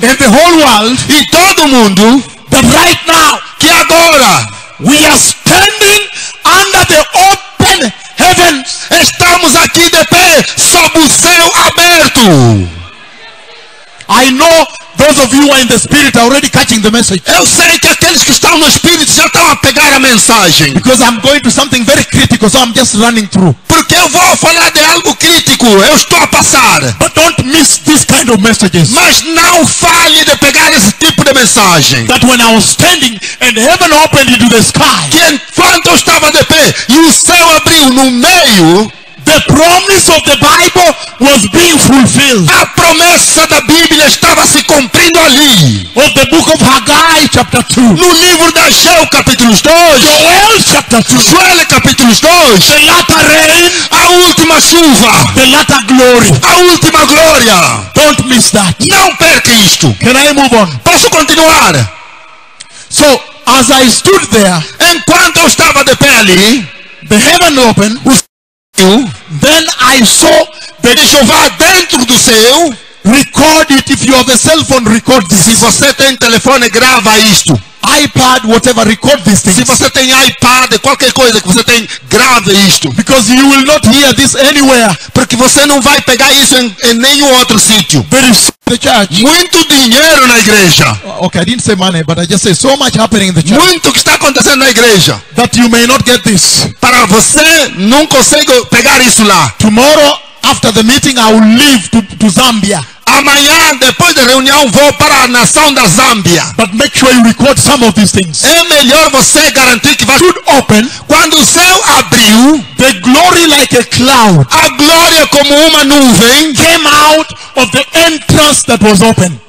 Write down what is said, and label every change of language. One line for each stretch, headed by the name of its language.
English: and the whole world,
Portuguese: e todo mundo,
English: that right now,
Portuguese: que agora,
English: we are standing under the open heavens.
Portuguese: Estamos aqui de pé sob o céu aberto.
English: I know those of you who are in the spirit are already catching the message.
Portuguese: Eu sei que aqueles que estão no espírito já estão a pegar a mensagem.
English: Because I'm going to something very critical, so I'm just running through.
Portuguese: Porque eu vou falar de algo crítico, eu estou a passar.
English: But don't miss this kind of messages.
Portuguese: Mas não fale de pegar esse tipo de mensagem.
English: That when I was standing and heaven opened into the sky.
Portuguese: Que enquanto eu estava de pé e o céu abriu no meio.
English: The promise of the Bible was being fulfilled.
Portuguese: A promessa da Bíblia estava se cumprindo ali.
English: Of the book of Haggai chapter 2.
Portuguese: No livro de Ageu capítulo 2.
English: Joel chapter 2.
Portuguese: Joel capítulo 2.
English: The latter rain.
Portuguese: A última chuva.
English: The latter glory.
Portuguese: A última glória.
English: Don't miss that.
Portuguese: Não perca isto.
English: Can I move on?
Portuguese: Posso continuar?
English: So, as I stood there.
Portuguese: Enquanto eu estava de pé ali.
English: The heaven opened. Then I saw the
Portuguese: Jeová dentro do céu.
English: Record it if you have a cell phone, record this.
Portuguese: Se você tem telefone, grava isto.
English: iPad, whatever, record this thing.
Portuguese: Se você tem iPad, qualquer coisa que você tem, grave isto.
English: Because you will not hear this anywhere.
Portuguese: Porque você não vai pegar isso em nenhum outro sítio.
English: The church.
Portuguese: Muito dinheiro na igreja.
English: Okay, I didn't say money, but I just say so much happening in the church.
Portuguese: Muito que está acontecendo na igreja.
English: That you may not get this.
Portuguese: Para você não consegue pegar isso lá.
English: Tomorrow after the meeting I will leave to Zambia.
Portuguese: Amanhã depois da reunião vou para a nação da Zâmbia.
English: But make sure you record some of these things.
Portuguese: É melhor você garantir que vai
English: should open.
Portuguese: Quando o céu abriu,
English: the glory like a cloud.
Portuguese: A glória como uma nuvem
English: came out of the entrance that was open.